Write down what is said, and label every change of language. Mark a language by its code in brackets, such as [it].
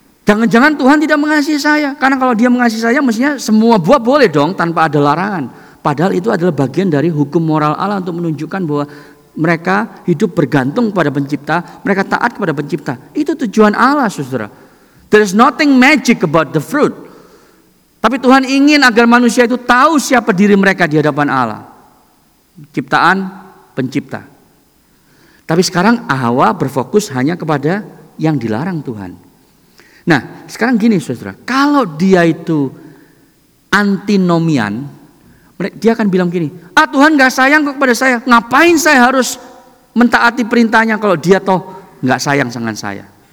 [id] Jangan-jangan Tuhan tidak mengasihi saya. Karena kalau dia mengasihi saya, mestinya semua buah boleh dong tanpa ada larangan. Padahal itu adalah bagian dari hukum moral Allah untuk menunjukkan bahwa mereka hidup bergantung kepada pencipta, mereka taat kepada pencipta. Itu tujuan Allah, saudara. [en] There is nothing magic about the fruit. [id] Tapi Tuhan ingin agar manusia itu tahu siapa diri mereka di hadapan Allah. Ciptaan, pencipta. Tapi sekarang Hawa berfokus hanya kepada yang dilarang Tuhan. Nah, sekarang gini, saudara, kalau dia itu antinomian, dia akan bilang gini, ah Tuhan gak sayang kok kepada saya, ngapain saya harus mentaati perintahnya kalau dia toh gak sayang dengan saya.